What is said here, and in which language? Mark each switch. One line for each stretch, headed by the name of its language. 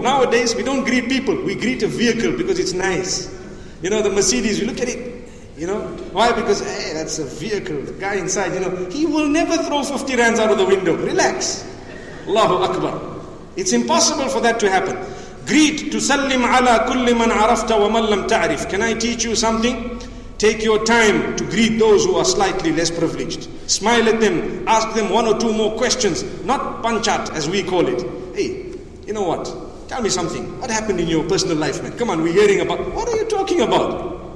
English: Nowadays, we don't greet people. We greet a vehicle because it's nice. You know, the Mercedes, you look at it, you know. Why? Because, hey, that's a vehicle. The guy inside, you know, he will never throw 50 rands out of the window. Relax. Allahu Akbar. It's impossible for that to happen.
Arabic: Greet, تسلم على كل من عرفت ومن لم تعرف.
English: Can I teach you something? Take your time to greet those who are slightly less privileged. Smile at them. Ask them one or two more questions. Not panchat, as we call it. Hey, you know what? Tell me something. What happened in your personal life, man? Come on, we're hearing about... What are you talking about?